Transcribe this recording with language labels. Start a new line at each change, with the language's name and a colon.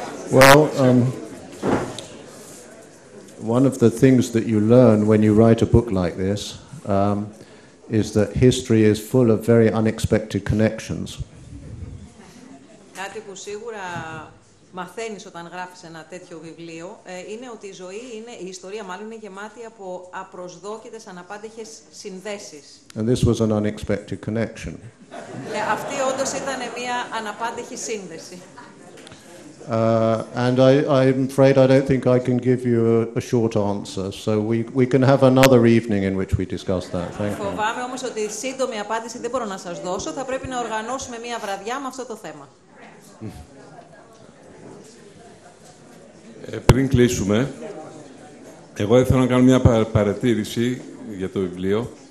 English: Well, one of the things that you learn when you write a book like this is that history is full of very unexpected connections.
Greek: Κάτι που σίγουρα μαθαίνεις όταν γράφεις ένα τέτοιο βιβλίο είναι ότι η ιστορία μάλλον είναι γεμάτη από απροσδόκητες αναπάντεχες συνδέσεις.
English: And this was an unexpected connection.
Greek: Αυτή όντως ήταν μια αναπάντεχη σύνδεση.
English: And I'm afraid I don't think I can give you a short answer. So we can have another evening in which we discuss that. Thank you.
Greek: Φοβάμαι όμως ότι σύντομη απάντηση δεν μπορώ να σας δώσω. Θα πρέπει να οργανώσουμε μια βραδιά με αυτό το θέμα. Πριν κλείσουμε, εγώ ήθελα να κάνω μια παρατήρηση για το βιβλίο.